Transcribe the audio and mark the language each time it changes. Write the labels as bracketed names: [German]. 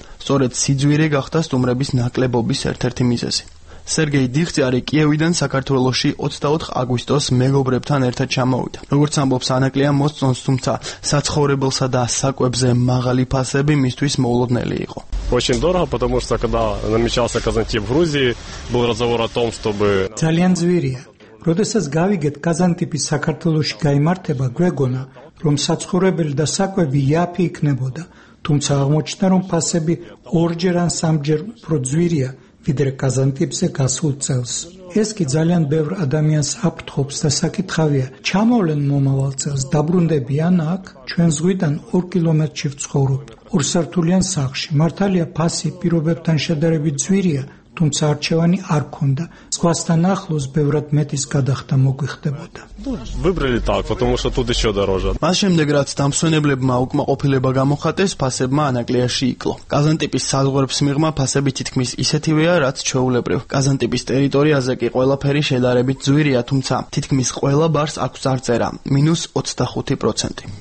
[Georgian] სწორედ სიძვირე გახდა სტუმრების ნაკლებობის ერთ-ერთი მიზეზი. სერგეი დიხტიარი კიევიდან საქართველოში 24 აგვისტოს მეგობრებთან ერთად ჩამოვიდა. როგორც ამბობს, ანაკლია მოსწონს, თუმცა საცხოვრებელსა და საკვებზე მაღალი ფასები მისთვის მოულოდნელი იყო. [Russian] Очень дорого, потому что когда намечался Казантип в Грузии, был разговор о том, чтобы [Georgian] ძალიან ძვირია. როდესაც გავიგეთ კაზანტიპის საქართველოში გამართება გვეგონა, რომ საცხოვრებელი და საკვები იაფი იქნებოდა, თუმცა აღმოჩნდა, რომ ფასები ორჯერ ან სამჯერ უფრო ძვირია. ვიდრე კაზანტიპზე გასულ წელს. ეს კი ძალიან ბევრ ადამიანს აფრთხობს და საკითხავია, ჩამოვლენ მომავალ წელს, დაბრუნდებიან აქ, ჩვენ ზღვიდან 2 კილომეტრში ვცხოვრობ, ორსართულიან სახლში. მართალია ფასი პირობებთან შედარებით ძვირია, თუმცა არჩევანი არ ქონდა. სხვასთან ახლოს ბევრად მეტის გადახდა მოგვიხდებოდა. [Russian] Выбрали так, потому что тут ещё дороже. [Georgian] მას შემდეგ რაც დამსვენებლებმა უკმაყოფილება გამოხატეს, ფასებმა ანაკლიაში იკლო. კაზანტიპის საზღვრებს მიღმა ფასები თითქმის ისეთივეა, რაც ჩვეულებრივ. კაზანტიპის ტერიტორიაზე კი ყველაფერი შედარებით ძვირია, თუმცა თითქმის ყველა ბარს აქვს წარწერა -25%.